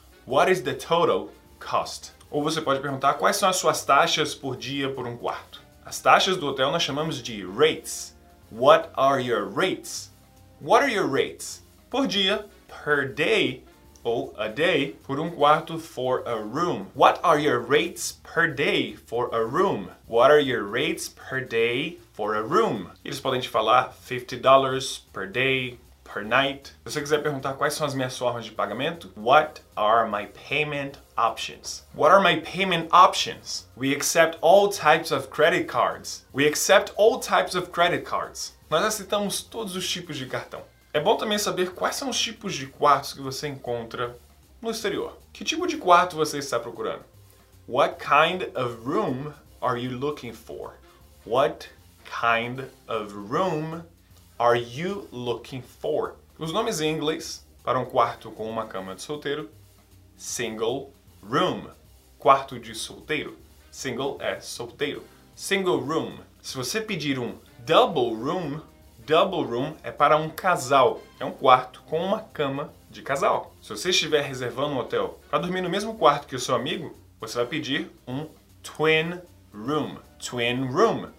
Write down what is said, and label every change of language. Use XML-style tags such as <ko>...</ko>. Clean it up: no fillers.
<en>What is the total cost?</en> <pt>Ou você pode perguntar, quais são as suas taxas por dia por um quarto? As taxas do hotel nós chamamos de rates.</pt> <en>What are your rates? What are your rates?</en> <pt>Por dia,</pt> <en>per day,</en> <pt>ou</pt> <en>a day,</en> <pt>por um quarto,</pt> <en>for a room. What are your rates per day for a room? What are your rates per day for a room?</en> <pt>Eles podem te falar $50</pt> <en>per day, per night.</en> <pt>Se você quiser perguntar quais são as minhas formas de pagamento,</pt> <en>what are my payment options? What are my payment options? We accept all types of credit cards. We accept all types of credit cards.</en> <pt>Nós aceitamos todos os tipos de cartão. É bom também saber quais são os tipos de quartos que você encontra no exterior. Que tipo de quarto você está procurando?</pt> <en>What kind of room are you looking for? What kind of room are you looking for?</en> <pt>Os nomes em inglês para um quarto com uma cama de solteiro.</pt> <en>Single room.</en> <pt>Quarto de solteiro. Single é solteiro.</pt> <en>Single room.</en> <pt>Se você pedir um</pt> <en>double room</en> <pt>é para um casal. É um quarto com uma cama de casal. Se você estiver reservando um hotel para dormir no mesmo quarto que o seu amigo, você vai pedir um twin room.</pt> <en>Twin room.</en>